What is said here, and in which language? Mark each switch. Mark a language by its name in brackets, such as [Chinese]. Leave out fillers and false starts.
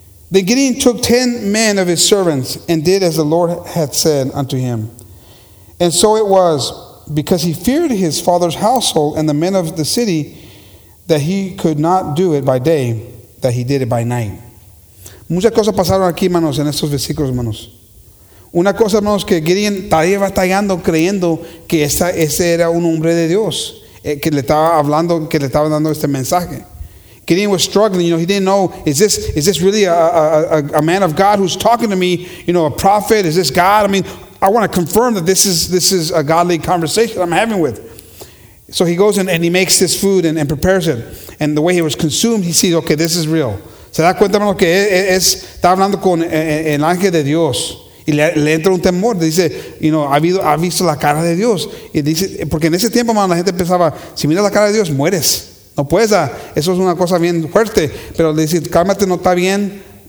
[English] Then Gideon took 10 men of his servants and did as the Lord had said unto him. And so it was, because he feared his father's household and the men of the city, that he could not do it by day, that he did it by night. [Spanish] Muchas cosas pasaron aquí, hermanos, en estos versículos, hermanos. Una cosa, hermanos, que Gideon estaba batallando, creyendo que ese era un hombre de Dios, que le estaba hablando, que le estaba dando este mensaje. [English] Gideon was struggling, you know, he didn't know, is this really a man of God who's talking to me, you know, a prophet, is this God? I mean, I want to confirm that this is a godly conversation I'm having with. So he goes and he makes this food and prepares it. And the way he was consumed, he sees, okay, this is real. [Spanish] Se da cuenta, hermano, que está hablando con el ángel de Dios. Y le entra un temor, dice, [English] you know, [Spanish] ha visto la cara de Dios. Y dice, porque en ese tiempo, hermano, la gente pensaba, si miras la cara de Dios, mueres. No puedes, eso es una cosa bien fuerte. Pero le dice, cálmate, no está bien.